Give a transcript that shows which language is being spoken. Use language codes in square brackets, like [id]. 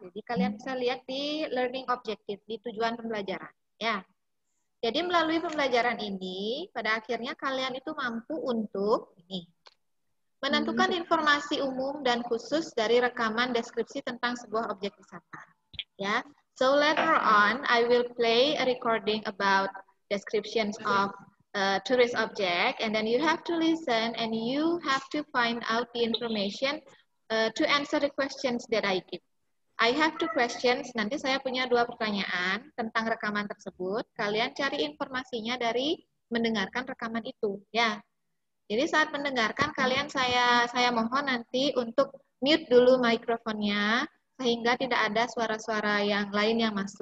[id] Jadi kalian bisa lihat di learning objective, di tujuan pembelajaran. Ya. Jadi melalui pembelajaran ini, pada akhirnya kalian itu mampu untuk ini, menentukan informasi umum dan khusus dari rekaman deskripsi tentang sebuah objek wisata. Ya. [en] So later on, I will play a recording about descriptions of tourist object, and then you have to listen and you have to find out the information to answer the questions that I give. I have two questions, [id] nanti saya punya dua pertanyaan tentang rekaman tersebut. Kalian cari informasinya dari mendengarkan rekaman itu, ya. Jadi saat mendengarkan, kalian saya mohon nanti untuk mute dulu mikrofonnya sehingga tidak ada suara-suara yang lain yang masuk.